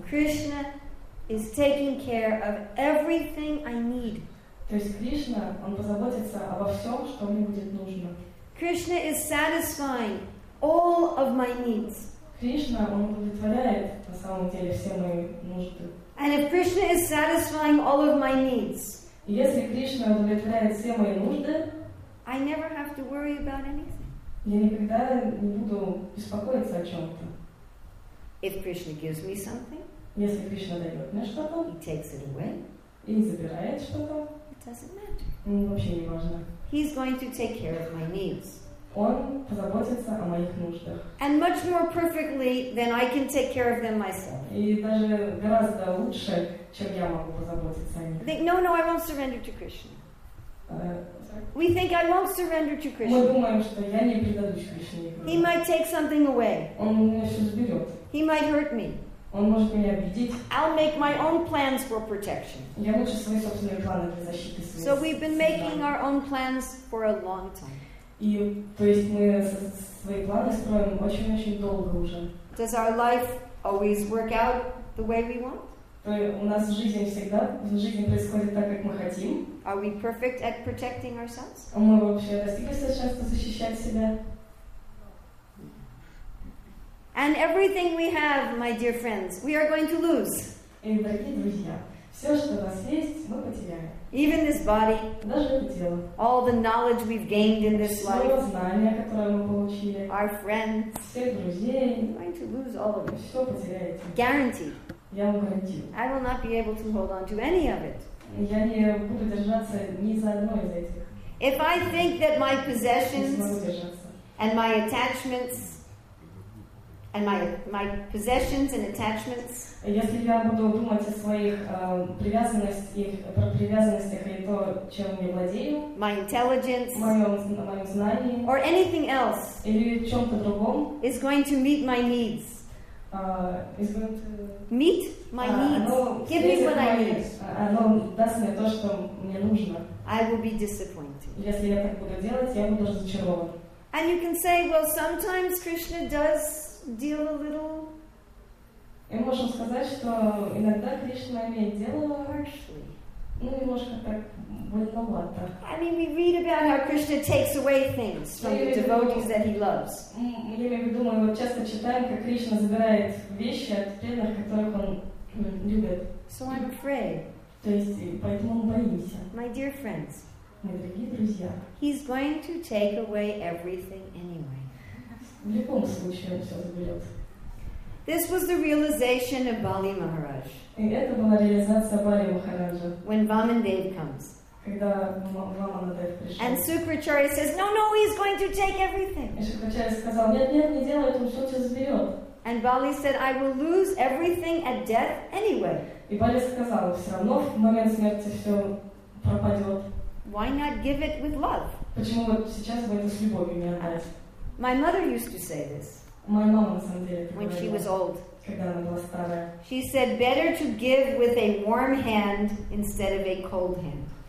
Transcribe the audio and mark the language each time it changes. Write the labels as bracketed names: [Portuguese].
[English] Krishna is taking care of everything I need. [Russian] То есть Кришна, он позаботится обо всем, что ему будет нужно. [English] Krishna is satisfying all of my needs. [Russian] Кришна, он удовлетворяет на самом деле все мои нужды. [English] And if Krishna is satisfying all of my needs, [Russian] если Кришна удовлетворяет все мои нужды, [English] I never have to worry about anything. [Russian] Я никогда не буду беспокоиться о чем-то. [English] If Krishna gives me something, [Russian] если Кришна дает мне что-то, [English] he takes it away. [Russian] И забирает что-то. [English] Doesn't matter. He's going to take care of my needs. [Russian] Он позаботится о моих нуждах. [English] And much more perfectly than I can take care of them myself. [Russian] И даже гораздо лучше, чем я могу позаботиться о них. [English] Think, no, no, I won't surrender to Krishna. We think I won't surrender to Krishna. [Russian] Мы думаем, что я не предадусь Кришне. [English] He might take something away. [Russian] Он меня сейчас берет. [English] He might hurt me. [Russian] Он может меня обидеть. [English] I'll make my own plans for protection. [Russian] Я лучше свои собственные планы для защиты своей. [English] So we've been making our own plans for a long time. [Russian] И, то есть, мы свои планы строим очень-очень долго уже. [English] Does our life always work out the way we want? [Russian] То есть, у нас в жизни происходит так, как мы хотим. [English] Are we perfect at protecting ourselves? [Russian] А мы вообще достигли сейчас защищать себя? [English] And everything we have, my dear friends, we are going to lose. [Russian] И, дорогие друзья, все, что у нас есть, мы потеряем. [English] Even this body, [Russian] даже это тело, [English] all the knowledge we've gained in this life, [Russian] все знания, которые мы получили, [English] our friends, [Russian] все друзей, [English] I'm going to lose all of it. [Russian] Все потеряете. [English] Guaranteed. [Russian] Я вам гарантирую. [English] I will not be able to hold on to any of it. [Russian] Я не буду держаться ни за одно из этих. [English] If I think that my possessions and my attachments and my possessions and attachments, [Russian] если я буду думать о своих привязанностях и то, чем я владею, [English] my intelligence, [Russian] моем знании, [English] or anything else, [Russian] или чем-то другом, [English] is going to meet my needs. Is going to meet my needs. Give me what I need. [Russian] Оно даст мне то, что мне нужно. [English] I will be disappointed. [Russian] Если я так буду делать, я буду разочарован. [English] And you can say, well, sometimes Krishna does deal a little. [Russian] И можем сказать, что иногда Кришна имеет дело [English] harshly. [Russian] Ну, немножко так больновато. [English] I mean, we read about how Krishna takes away things from the devotees that he loves. [Russian] Я имею в виду, мы часто читаем, как Кришна забирает вещи от преданных, которых он любит. [English] So I'm afraid. [Russian] То есть, поэтому мы боимся. [English] My dear friends. [Russian] Мои дорогие друзья. [English] He's going to take away everything anyway. [Russian] В любом случае, он все заберет. [English] This was the realization of Bali Maharaj. [Russian] И это была реализация Бали Махараджа. [English] When Vamandev comes. [Russian] Когда Vamandev пришел. [English] And Sukracharya says, "No, no, he's going to take everything." [Russian] И Sukracharya сказал, нет, не делай, он все заберет. [English] And Bali said, "I will lose everything at death anyway." [Russian] И Бали сказал, все равно в момент смерти все пропадет. [English] Why not give it with love? [Russian] Почему вот сейчас бы это с любовью не отдать? [English] My mother used to say this. My mom, on the other hand, when she was old, [Russian] когда она была старая, [English] she said, "Better to give with a warm hand instead of a cold hand."